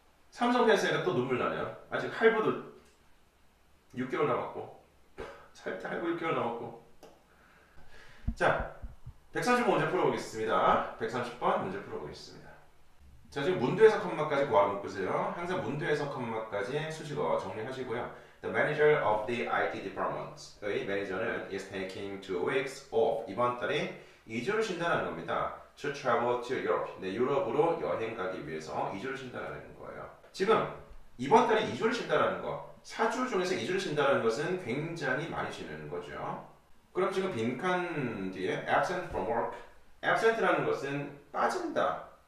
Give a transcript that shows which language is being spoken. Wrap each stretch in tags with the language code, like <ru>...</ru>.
<ko>삼성 페네스니까 또 눈물 나네요. 아직 할부도 6개월 남았고 살짝 할부 6개월 남았고. 자, 130번 문제 풀어보겠습니다. 130번 문제 풀어보겠습니다. 자, 지금 문두에서 컴마까지 구하고 묶으세요. 항상 문두에서 컴마까지 수식어 정리하시고요.</ko> <en>The manager of the IT department.</en> <ko>의 매니저는</ko> <en>is taking 2 weeks off.</en> <ko>이번 달에 2주를 쉰다는 겁니다.</ko> <en>To travel to Europe.</en> <ko>네, 유럽으로 여행 가기 위해서 2주를 쉰다는 거예요. 지금 이번 달에 2주를 쉰다는 거. 4주 중에서 2주를 쉰다는 것은 굉장히 많이 쉬는 거죠. 그럼 지금 빈칸 뒤에</ko> <en>absent from work.</en> <ko>absent라는 것은 빠진다.</ko>